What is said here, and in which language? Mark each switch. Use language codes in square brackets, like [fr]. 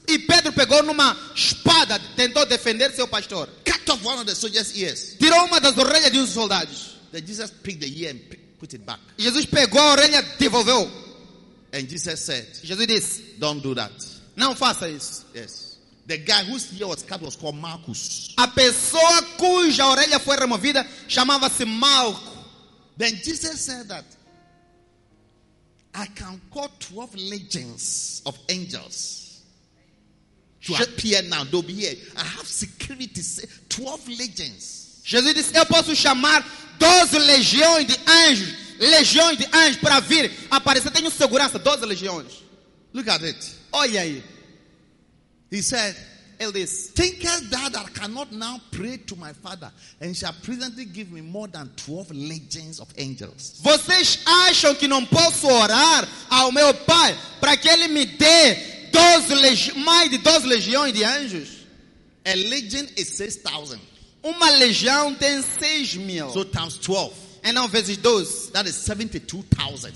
[pt] E Pedro pegou numa espada, tentou defender seu pastor. [en] Cut off one of the soldiers' ears. [pt] Tirou uma das orelhas de um soldado. [en] Then Jesus picked the ear and put it back. [pt] E Jesus pegou a orelha e devolveu. [en] And Jesus said, [pt] Jesus disse, [en] don't do that. [pt] Não faça isso. [en] Yes. The guy whose ear was cut was called Marcus. [pt] A pessoa cuja orelha foi removida chamava-se Malco. [en] Then Jesus said that I can call 12 legions of angels to appear now. They'll be here. I have security. 12 legions. [pt] Jesus disse, eu posso chamar 12 legiões de anjos. Legiões de anjos para vir aparecer. Tenho segurança. 12 legiões. [en] Look at it. [pt] Olha aí. [en] He said, [pt] ele disse, [en] thinkest thou that I cannot now pray to my Father and shall presently give me more than 12 legions of angels? [pt] Vocês acham que não posso orar ao meu Pai para que ele me dê mais de 12 legiões de anjos? [en] A legion is 6,000. [pt] Uma legião tem 6,000. [en] So times 12. [pt] E não vezes 12. [en] That is 72,000.